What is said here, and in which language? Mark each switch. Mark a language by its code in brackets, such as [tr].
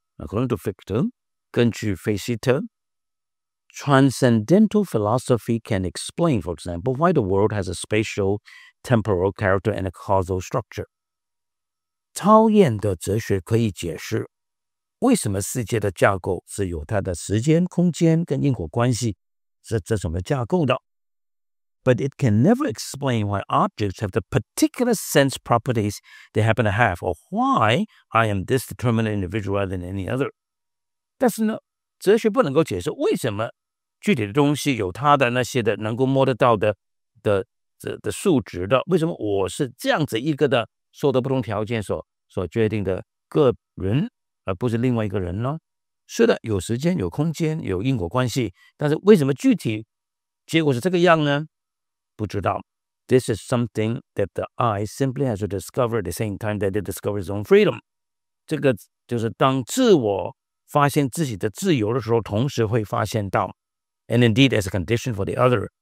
[en] According to Fichte, [zh] 根据费希特， [en] transcendental philosophy can explain, for example, why the world has a spatial, temporal character and a causal structure. [zh] 超验的哲学可以解释为什么世界的架构是有它的时间、空间跟因果关系是这什么架构的。 [en] But it can never explain why objects have the particular sense properties they happen to have, or why I am this determinate individual rather than any other. [zh] 但是呢，哲学不能够解释为什么具体的东西有它的那些的能够摸得到的数值的，为什么我是这样子一个的受的不同条件所决定的个人，而不是另外一个人呢？是的，有时间、有空间、有因果关系，但是为什么具体结果是这个样呢？不知道。 [en] This is something that the eye simply has to discover at the same time that it discovers its own freedom. [zh] 这个就是当自我发现自己的自由的时候，同时会发现到 [en] ，and indeed as a condition for the other，